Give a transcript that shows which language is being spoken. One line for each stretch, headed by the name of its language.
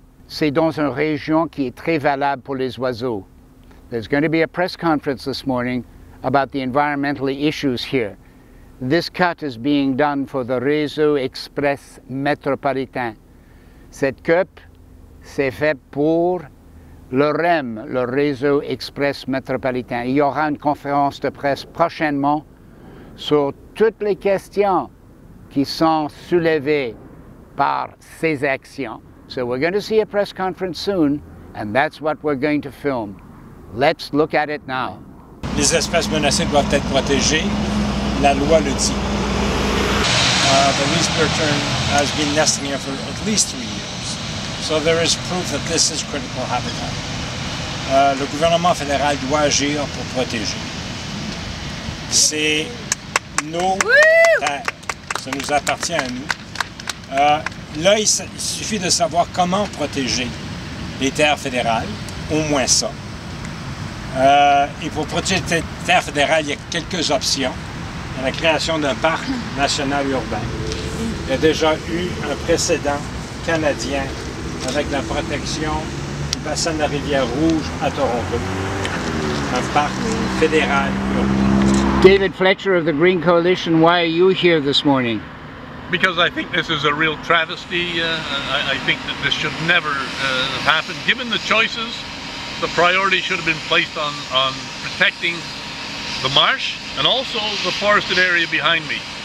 French: C'est dans une région qui est très valable pour les oiseaux.
English: There's going to be a press conference this morning about the environmental issues here. This cut is being done for the Réseau Express Métropolitain.
French: Cette coupe, c'est fait pour le REM, le Réseau Express Métropolitain. Il y aura une conférence de presse prochainement sur toutes les questions qui sont soulevées par ces actions.
English: So we're going to see a press conference soon, and that's what we're going to film. Let's look at it now.
French: Les espèces menacées doivent être protégées. La loi le dit.
English: The least bird turn has been nesting here for at least 3 years. So there is proof that this is critical habitat.
French: Le gouvernement fédéral doit agir pour protéger. C'est nos terres. Ça nous appartient à nous. Là, il suffit de savoir comment protéger les terres fédérales, au moins ça. Et pour protéger les terres fédérales, il y a quelques options. Il y a la création d'un parc national urbain. Il y a déjà eu un précédent canadien avec la protection du bassin de la rivière Rouge à Toronto. Un parc fédéral urbain.
English: David Fletcher of the Green Coalition, why are you here this morning? Because I think this is a real travesty. I think that this should never have happened. Given the choices, the priority should have been placed on protecting the marsh and also the forested area behind me.